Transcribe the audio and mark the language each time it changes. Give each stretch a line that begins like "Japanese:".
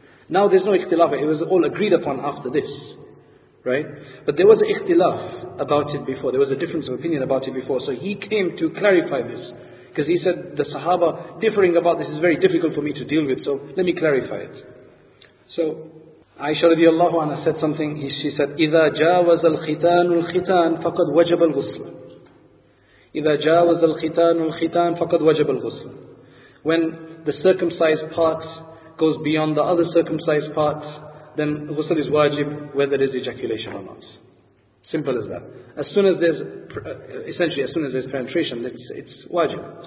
English: Now there's no ikhtilaf, it was all agreed upon after this, right? But there was an ikhtilaf about it before, there was a difference of opinion about it before. So he came to clarify this, because he said the Sahaba differing about this is very difficult for me to deal with, so let me clarify it. So Aisha radiallahu anha said something. She said,
Arabic: إِذَا جَاوَزَ الْخِتَانُ الْخِتَانُ فَقَدْ وَجَبَ الْغُسْلُ. إِذَا جَاوَزَ الْخِتَانُ الْخِتَانُ فَقَدْ وَجَبَ الْغُسْلُ.
English: When the circumcised part goes beyond the other circumcised part, then ghusl is wajib, whether there is ejaculation or not. Simple as that. As soon as there's, essentially, as soon as there's penetration, it's wajib.